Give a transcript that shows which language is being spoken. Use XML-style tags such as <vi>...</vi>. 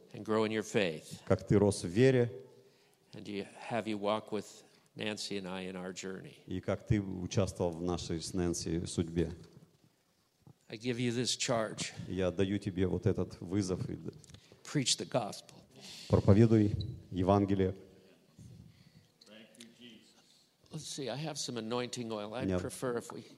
<en>And grow in your faith.</en> <ru>Как ты рос в вере.</ru> <en>And you have you walk with Nancy and I in our journey.</en> <ru>И как ты участвовал в нашей с Нэнси судьбе?</ru> <en>I give you this charge.</en> <ru>Я даю тебе вот этот вызов.</ru> <en>Preach the gospel.</en> <ru>Проповедуй Евангелие.</ru> <en>Thank you, Jesus. Let's see. I have some anointing oil. I'd prefer if we</en>